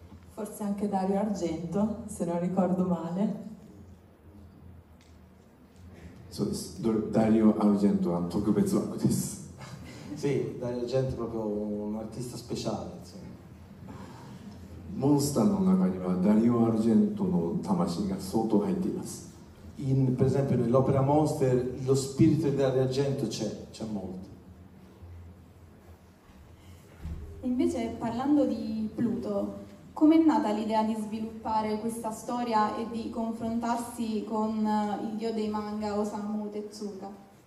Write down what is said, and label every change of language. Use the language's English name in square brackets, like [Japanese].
[Italian] Forse anche Dario Argento, se non ricordo male. Dario Argento è un [Japanese] tokubetsu waku desu. [Italian] Sì, Dario Argento è proprio un artista speciale. [Japanese] モンスターの中にはダリオ・アルジェントの魂が相当入っています。In [Italian] per esempio nell'opera Monster lo spirito di Dario Argento c'è molto. Invece parlando di Pluto, com'è nata l'idea di sviluppare questa storia e di confrontarsi con il dio dei manga Osamu Tezuka?